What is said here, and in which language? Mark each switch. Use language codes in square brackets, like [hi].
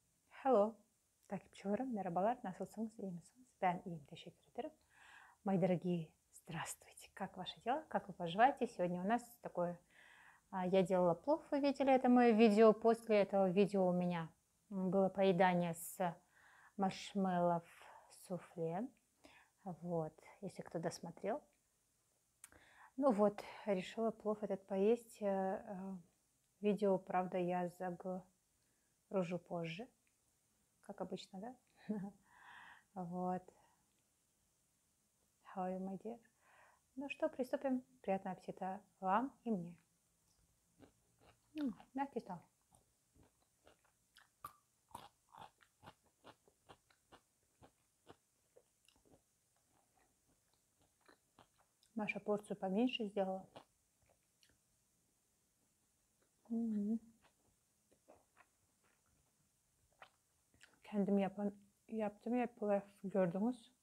[en] Hello, [tr] takipçilerim, merhabalar, nasılsınız, iyi misiniz? Ben iyiyim, teşekkür ederim. [ru] Мои дорогие, здравствуйте, как ваши дела, как вы поживаете? Сегодня у нас такое, я делала плов, вы видели это мое видео, после этого видео у меня было поедание с маршмеллоу суфле, вот, если кто досмотрел. Ну вот, решила плов этот поесть, видео, правда, я загружу позже. Как обычно, да? Вот. [en] How are you, my dear? [ru] Ну что, приступим. Приятного аппетита вам и мне. Мягкий стол. Маша порцию поменьше сделала. [tr] Kendim yaptım ya pilav gördünüz.